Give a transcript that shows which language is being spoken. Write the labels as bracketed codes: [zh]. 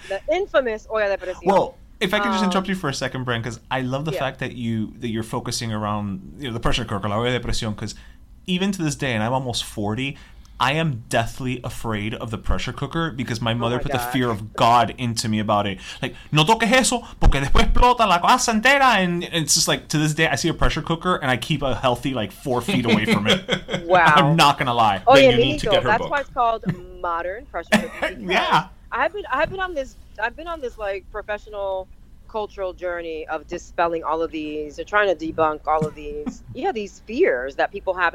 [en] The infamous olla de presión. Well, if I can just interrupt you for a second, Bren, because I love the fact that you're focusing around, you know, the pressure cooker, la olla de presión, because even to this day, and I'm almost 40, I am deathly afraid of the pressure cooker because my mother put the fear of God into me about it. [es] Like, no toques eso porque después explota la casa entera. [en] And it's just like, to this day, I see a pressure cooker and I keep a healthy, like, 4 feet away from it. Wow. I'm not going to lie. Oh, yeah, you need to get her book. That's why it's called Modern Pressure Cooking. Yeah. I've been on this like professional cultural journey of dispelling all of these, or trying to debunk all of these, these fears that people have.